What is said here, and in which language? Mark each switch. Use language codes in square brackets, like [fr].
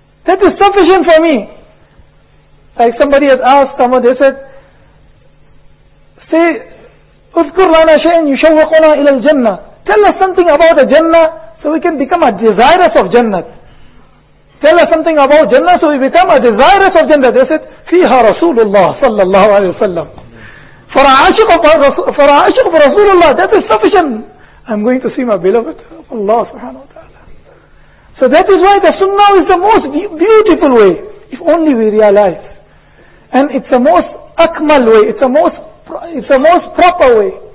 [en] That is sufficient for me. Like somebody has asked someone, they said, say, [ar] اذكر لنا شيئا يشوقنا إلى الجنة. [en] Tell us something about the Jannah, so we can become a desirous of Jannah. Tell us something about Jannah, so we become a desirous of Jannah. They said, [ar] فيها رسول الله صلى الله عليه وسلم. [en] For an عاشق for رسول الله, that is sufficient. I'm going to see my beloved Allah subhanahu wa ta'ala. So that is why the sunnah is the most beautiful way, if only we realize. And it's the most akmal way, it's the most proper way.